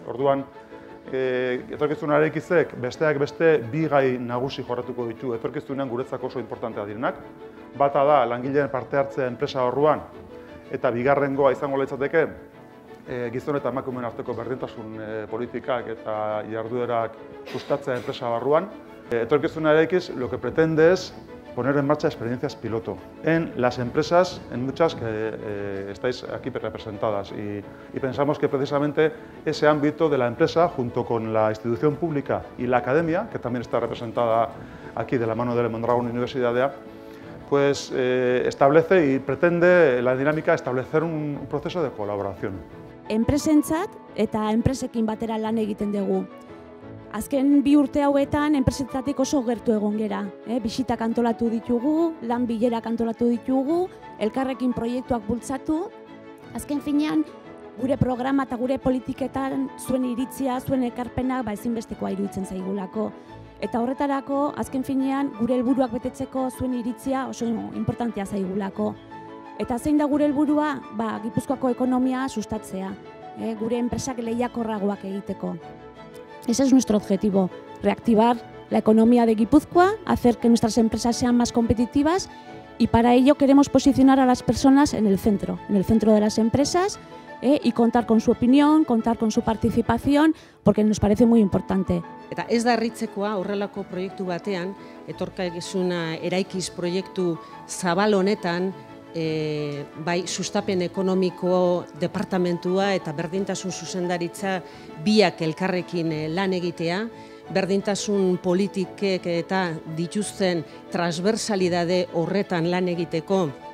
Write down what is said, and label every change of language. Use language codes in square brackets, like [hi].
[eu] Orduan, etorkizuna eraikizek besteak beste bi gai nagusi jorratuko ditu, etorkizunean guretzako oso importantea direnak. Bata da, langileen parte hartzea enpresa horruan, eta bigarrengoa izango litzateke, gizon eta emakumeen arteko berdintasun politikak eta jarduerak sustatzea enpresa barruan. [es] Etorkizuna eraikiz, lo que pretende es poner en marcha experiencias piloto en las empresas, en muchas que estáis aquí representadas. Y pensamos que precisamente ese ámbito de la empresa, junto con la institución pública y la academia, que también está representada aquí de la mano de Mondragón Universidad de A, pues establece y pretende la dinámica establecer un proceso de colaboración. [eu] Enpresentzat eta enpresekin batera lan egiten dugu. Azken bi urte hauetan enpresetatik oso gertu egon gera. Bisitak antolatu ditugu, lan bilerak antolatu ditugu, elkarrekin proiektuak bultzatu. Azken finean, gure programa eta gure politiketan zuen iritzia, zuen ekarpena ezinbestekoa iruditzen zaigulako. Eta horretarako, azken finean, gure helburuak betetzeko zuen iritzia oso importantea zaigulako. Eta zein da gure helburua, ba, Gipuzkoako ekonomia sustatzea, gure enpresak lehiakorragoak egiteko. [es] Ese es nuestro objetivo, reactivar la economía de Gipuzkoa, hacer que nuestras empresas sean más competitivas y para ello queremos posicionar a las personas en el centro de las empresas y contar con su opinión, contar con su participación, porque nos parece muy importante. [eu] Eta ez da harritzekoa horrelako proiektu batean, etorkizuna eraikiz proiektu zabal honetan, bai sustapen ekonomiko departamentua eta berdintasun zuzendaritza biak elkarrekin lan egitea, berdintasun politikek eta dituzten transversalidade horretan lan egiteko